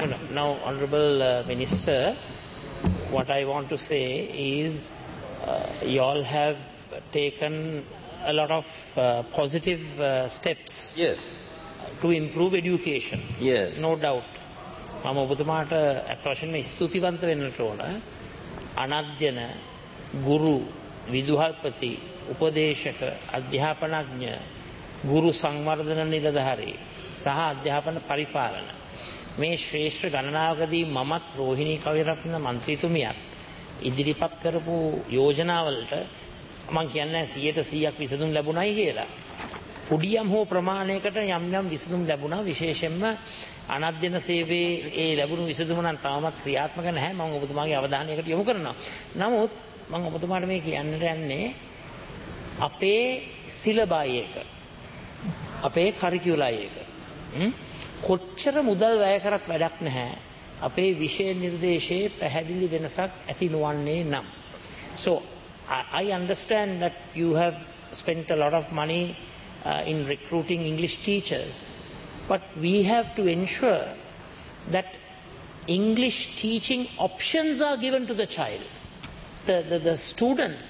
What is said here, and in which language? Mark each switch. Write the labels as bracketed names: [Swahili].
[English] now honorable minister what I want to say is you all have taken a lot of positive steps yes to improve education yes no doubt [Sinhala] මම ඔබතුමාට අත්වශයෙන්ම ස්තුතිවන්ත වෙන්නට ඕන. අනධ්‍යන ගුරු විදුහල්පති උපදේශක අධ්‍යාපනඥ ගුරු සංවර්ධන නිලධාරී සහ අධ්‍යාපන පරිපාලන මේ ශ්‍රේෂ්ඨ ගණනාවකදී මමත් රෝහිණී කවිරත්න මන්ත්‍රීතුමියත් ඉදිරිපත් කරපු යෝජනාවලට මම කියන්නේ 100%ක් විසඳුම් ලැබුණයි කියලා. පුඩියම් හෝ ප්‍රමාණයකට යම් යම් විසඳුම් ලැබුණා. විශේෂයෙන්ම අනධ්‍යන සේවයේ ඒ ලැබුණු විසඳුම නම් තාමත් ක්‍රියාත්මක නැහැ. මම ඔබතුමාගේ අවධානයකට යොමු කරනවා. නමුත් මම ඔබතුමාට මේ කියන්නට යන්නේ අපේ සිලබයි එක, අපේ කරිකියුලයි එක කොච්චර මුදල් වැය කරත් වැඩක් නැහැ. අපේ විෂය නිර්දේශයේ පැහැදිලි වෙනසක් ඇති නොවන්නේ නම්. [English] So I understand that you have spent a lot of money in recruiting English teachers, but we have to ensure that English teaching options are given to the child. The student,